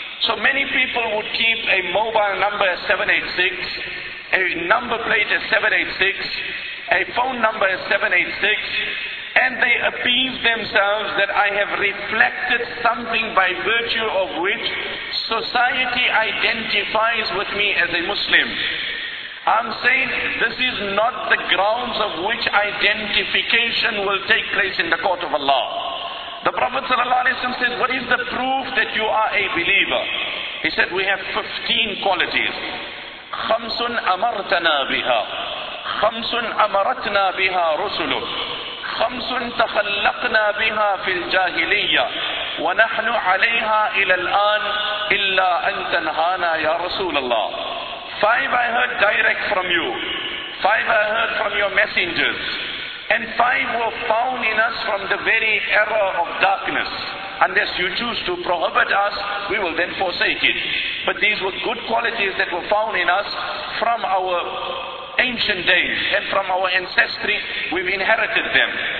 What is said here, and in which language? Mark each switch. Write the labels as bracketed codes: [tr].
[en] So many people would keep a mobile number as 786, a number plate as 786, a phone number as 786, and they appease themselves that I have reflected something by virtue of which society identifies with me as a Muslim. I'm saying this is not the grounds of which identification will take place in the court of Allah. The Prophet sallallahu alaihi wasallam says, what is the proof that you are a believer? He said, we have 15 qualities. [ar] خَمْسٌ أَمَرْتَنَا بِهَا خَمْسٌ أَمَرَتْنَا بِهَا رُسُلُكَ خَمْسٌ تَخَلَّقْنَا بِهَا فِي الْجَاهِلِيَّةِ وَنَحْنُ عَلَيْهَا إِلَى الْآنِ إِلَّا أَن تَنْهَانَا يَا رَسُولَ اللَّهِ [en] Five I heard direct from you. Five I heard from your messengers. And five were found in us from the very era of darkness. Unless you choose to prohibit us, we will then forsake it. But these were good qualities that were found in us from our ancient days and from our ancestry, we've inherited them.